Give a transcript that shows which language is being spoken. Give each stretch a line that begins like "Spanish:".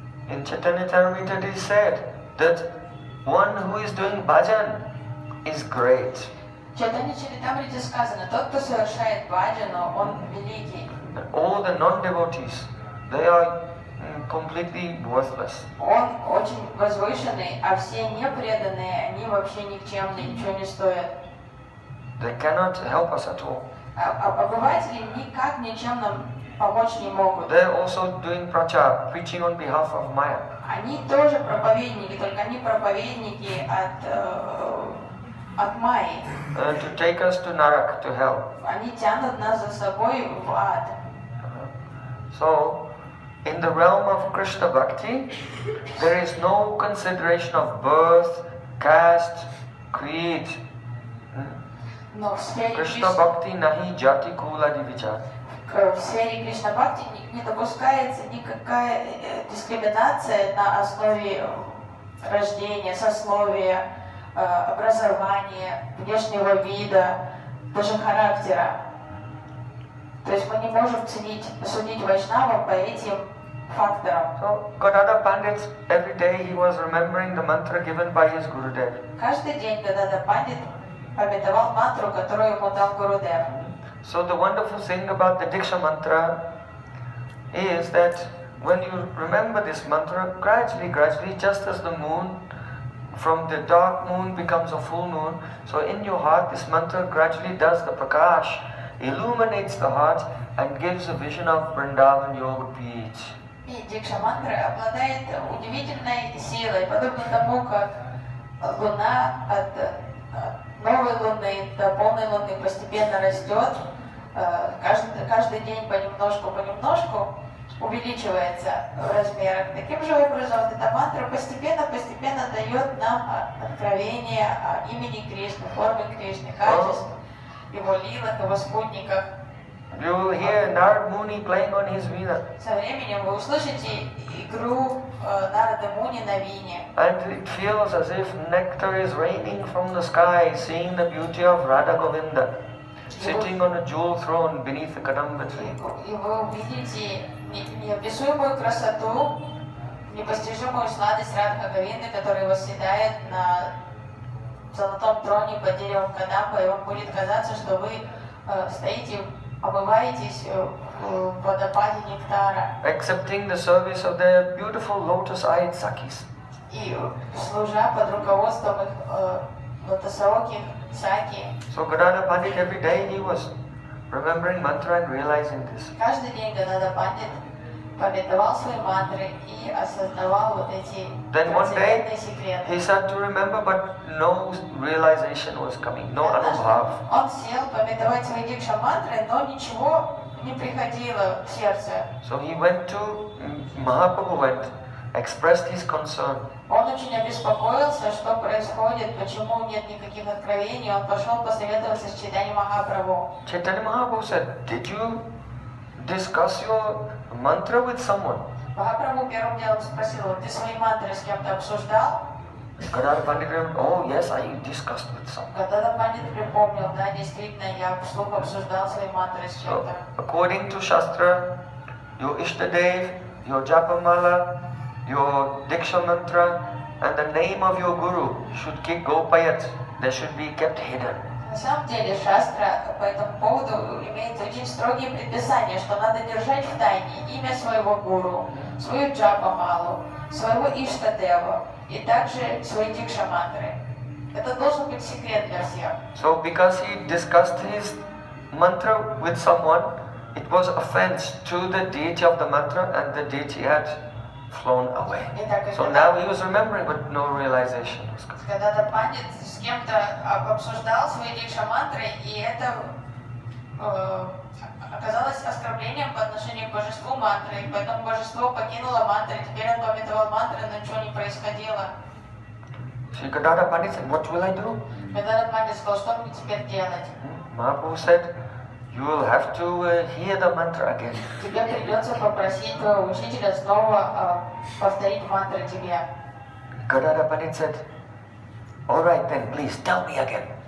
English: In Chaitanya Charitamrita it is said that one who is doing bhajan is great.
Russian: Chaitanya Charitamrita сказано, тот, кто совершает бхаджану, он великий.
English: All the non-devotees, they are completely worthless.
Russian: Он очень возвышенный, а все непреданные, они вообще никчемные, ничего не стоят.
English: They cannot help us at all.
Russian: Обыватели никак ничем нам помочь не могут.
English: They are also doing prachar, preaching on behalf of Maya.
Russian: Они тоже проповедники, только они проповедники от Майи.
English: To take us to Narak, to hell.
Russian: Они тянут нас за собой в ад.
English: So, in the realm of Krishna Bhakti, there is no consideration of birth, caste, creed.
Bangla: Krishna Bhakti nahi jati kula divichar.
Russian: В сфере Кришна Бхакти не допускается никакая дискриминация на основе рождения, сословия, образования, внешнего вида, даже характера. То есть мы не можем судить Вайшнава по этим факторам.
English: So, Gadadhar Pandit, every day he was remembering the mantra given by his Gurudev.
Russian: Каждый день Gadadhar Pandit памятовал мантру, которую ему дал Гурудев.
English: So the wonderful thing about the Diksha Mantra is that when you remember this mantra, gradually, just as the moon, from the dark moon becomes a full moon, so in your heart this mantra gradually does the prakash, illuminates the heart and gives a vision of Vrindavan Yoga Beach.
Russian: Диксха Мантра обладает удивительной силой, подобно тому, как луна от новой луны до полной луны постепенно растет, каждый день понемножку увеличивается в размерах. Таким же образом, эта мантра постепенно дает нам откровение о имени Кришны, формы Кришны, качеств, его лилах, его спутниках.
English: You will hear Narad Muni playing on his veena.
Russian: Со временем вы услышите игру Нарада Муни на вине.
English: And it feels as if nectar is raining from the sky, seeing the beauty of Radha Govinda sitting on a jewel throne beneath the kadamba tree.
Russian: И вы увидите неописуемую красоту, непостижимую сладость Радха Говинды, которая восседает на золотом троне под деревом кадамба, и вам будет казаться, что вы стоите, обываетесь в водопаде нектара.
English: Accepting the service of the beautiful lotus-eyed sakis.
Russian: И служа под руководством их лотосооких саки.
English: So Gadadhar Pandit every day he was remembering mantra and realizing this.
Russian: Каждый день Gadadhar Pandit памятовал свои мантры и осознавал вот эти трансцендентные секреты.
English: He started to remember, but no realization was coming, no anubhav.
Russian: Он сел памятовать свои дикша мантры, но ничего не приходило в сердце.
English: So he went to Mahaprabhu, went, expressed his concern.
Russian: Он очень обеспокоился, что происходит, почему нет никаких откровений. Он пошел посоветоваться с Чайтанья Махапрабху.
English: Чайтанья Махапрабху said, did you discuss your mantra with someone?
Russian: Махапрабху первым делом спросил, ты свои мантры с кем-то обсуждал?
English: Gadadhar Pandit remembered, oh yes, I discussed with someone.
Russian: Gadadhar Pandit припомнил, да, действительно, я вслух обсуждал свои мантры с кем-то.
English: According to Shastra, your Ishtadev, your Japamala, your Diksha Mantra, and the name of your Guru should keep Gopayat. They should be kept hidden.
Russian: На самом деле Шастра по этому поводу имеет очень строгие предписания, что надо держать в тайне имя своего гуру, свою джапамалу, своего иштадева и также свои дикшамантры. Это должен быть секрет для всех.
English: So because he discussed his mantra with someone, it was offense to the deity of the mantra, and the deity had flown away. So now he was remembering, but no realization was coming.
Russian: Когда-то пандит с кем-то обсуждал свои дикша мантры, и это оказалось оскорблением по отношению к божеству мантры. Поэтому божество покинуло мантры, теперь он пометовал мантры, но ничего не происходило.
English: Shri Gadadhar Pandit said, what will I do? Gadadhar Pandit said, what will I do? Mahaprabhu said, you will have to hear the mantra again. Gadadhar Pandit said, all right then, please tell me again.